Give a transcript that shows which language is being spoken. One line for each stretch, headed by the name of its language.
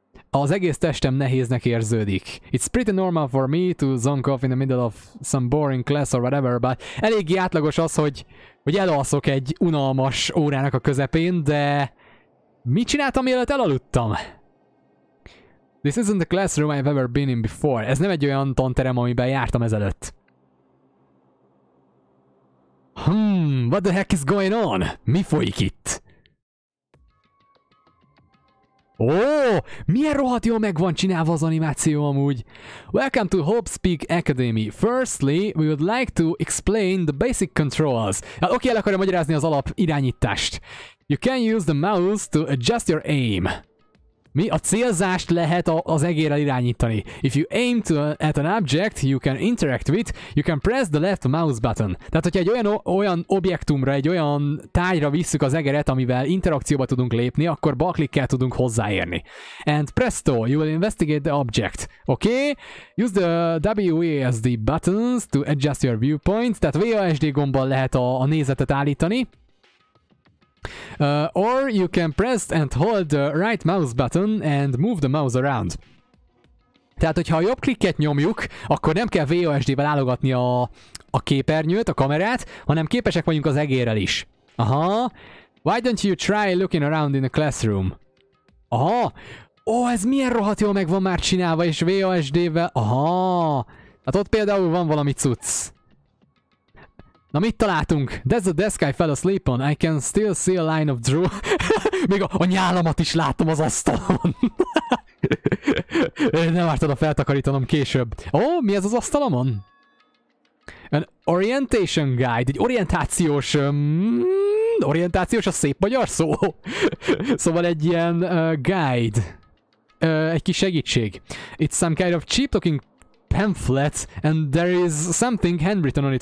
Hungarian: Az egész testem nehéznek érződik.
English: It's pretty normal for me to zonk off in the middle of some boring class or whatever, but
Hungarian: eléggé átlagos az, hogy elalszok egy unalmas órának a közepén, de mit csináltam, mielőtt elaludtam?
English: This isn't the classroom I've ever been in before.
Hungarian: Ez nem egy olyan tanterem, amiben jártam ezelőtt.
English: What the heck is going on?
Hungarian: Mi folyik itt? Milyen rohadt jól meg van csinálva az animáció amúgy.
English: Welcome to Hope's Peak Academy. Firstly, we would like to explain the basic controls.
Hungarian: Hát oké, el akarja magyarázni az alap irányítást.
English: You can use the mouse to adjust your aim.
Hungarian: Mi? A célzást lehet az egérrel irányítani.
English: If you aim at an object you can interact with, you can press the left mouse button.
Hungarian: Tehát, hogyha egy olyan objektumra, egy olyan tárgyra visszük az egeret, amivel interakcióba tudunk lépni, akkor bal klikkel tudunk hozzáérni.
English: And presto, you will investigate the object. Oké? Okay? Use the WASD buttons to adjust your viewpoint.
Hungarian: Tehát WASD gombbal lehet a nézetet állítani.
English: Or you can press and hold the right mouse button and move the mouse around.
Hungarian: Tehát, hogyha a jobb klikket nyomjuk, akkor nem kell WASD-vel állogatni a képernyőt, a kamerát, hanem képesek vagyunk az egérrel is. Aha.
English: Why don't you try looking around in the classroom? Aha.
Hungarian: Ez milyen rohadt jól meg van már csinálva, és WASD-vel... Aha. Hát ott például van valami cucc. Na, mit találtunk?
English: That's the desk I fell asleep on. I can still see a line of drool.
Hungarian: Még a nyálamat is látom az asztalon. Nem vártad, a feltakarítanom később. Mi ez az asztalomon?
English: An orientation guide.
Hungarian: Egy orientációs... orientációs a szép magyar szó. Szóval egy ilyen guide. Egy kis segítség.
English: It's some kind of cheap looking pamphlet, and there is something handwritten on it.